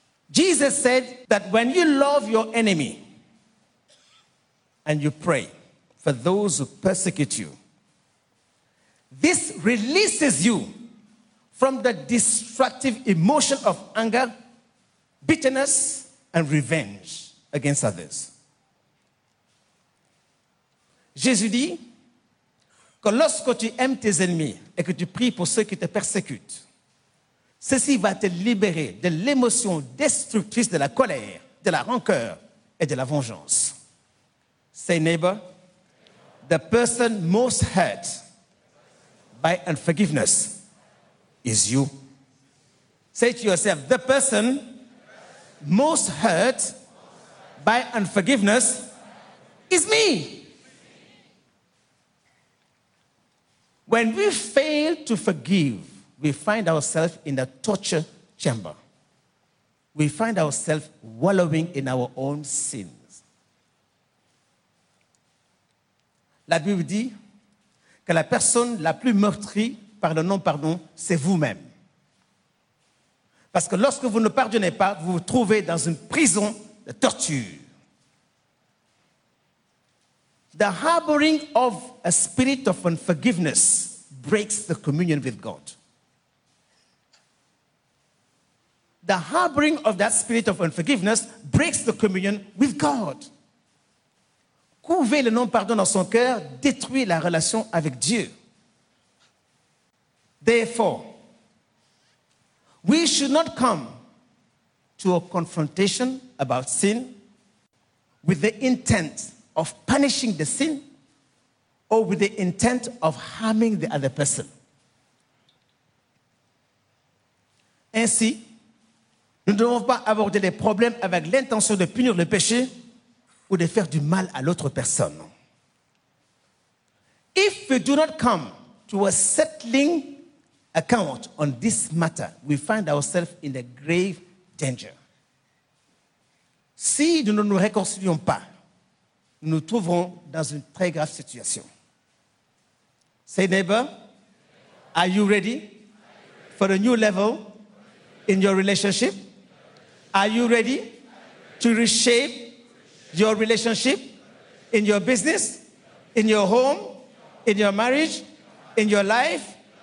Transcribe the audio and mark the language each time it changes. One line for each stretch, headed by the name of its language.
English: Jesus said that when you love your enemy and you pray for those who persecute you, this releases you from the destructive emotion of anger, bitterness, and revenge against others.
French: Jésus dit que lorsque tu aimes tes ennemis et que tu pries pour ceux qui te persécutent, ceci va te libérer de l'émotion destructrice de la colère, de la rancœur et de la vengeance.
English: Say, neighbor, the person most hurt by unforgiveness is you. Say to yourself, the person most hurt by unforgiveness is me. When we fail to forgive, we find ourselves in a torture chamber. We find ourselves wallowing in our own sins.
French: La Bible dit que la personne la plus meurtrie par le non-pardon, c'est vous-même. Parce que lorsque vous ne pardonnez pas, vous vous trouvez dans une prison de torture.
English: The harboring of a spirit of unforgiveness breaks the communion with God. The harboring of that spirit of unforgiveness breaks the communion with God.
French: Couver le non-pardon dans son cœur détruit la relation avec Dieu.
English: Therefore, we should not come to a confrontation about sin with the intent of punishing the sin or with the intent of harming the other person.
French: Ainsi, nous ne devons pas aborder les problèmes avec l'intention de punir le péché ou de faire du mal à l'autre personne.
English: If we do not come to a settling account on this matter, we find ourselves in a grave danger.
French: Si nous ne nous réconcilions pas, nous nous trouverons dans une très grave situation.
English: Say neighbor, are you ready for a new level in your relationship? Are you ready to reshape your relationship in your business, in your home, in your marriage, in your life?